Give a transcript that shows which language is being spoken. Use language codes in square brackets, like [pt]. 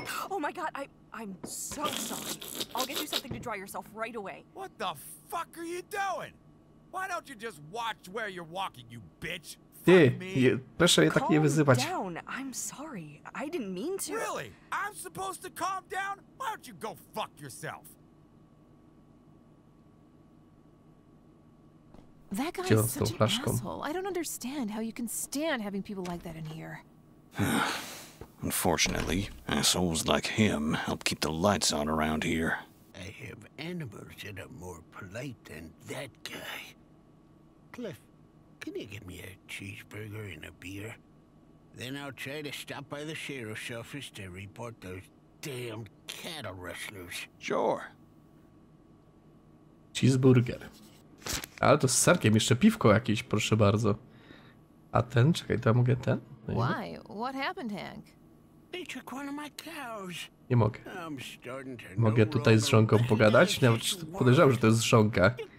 [en] Oh my god, I'm so sorry. I'll get you something to dry yourself right away. What the fuck are you doing? Why don't you just watch where you're walking, you bitch? [pl] Ty, proszę je tak nie wyzywać. [en] Calm down. I'm sorry. I didn't mean to. Really? I'm supposed to calm down? Why don't you go fuck yourself? That guy is such an asshole. I don't understand how you can stand having people like that in here. Unfortunately, assholes like him help keep the lights on around here. I have animals that are more polite than that guy. Cliff, can you get me a cheeseburger and a beer? Then I'll try to stop by the sheriff's office to report those damned cattle rustlers. Sure. Cheeseburger. [pl] Ale to z serkiem, jeszcze piwko jakieś, proszę bardzo. A ten, czekaj, to ja mogę ten? [en] No why? What happened, Hank? They took one of my cows. [pl] Nie mogę. Mogę tutaj z żonką pogadać? Nawet podejrzewam, że to jest żonka.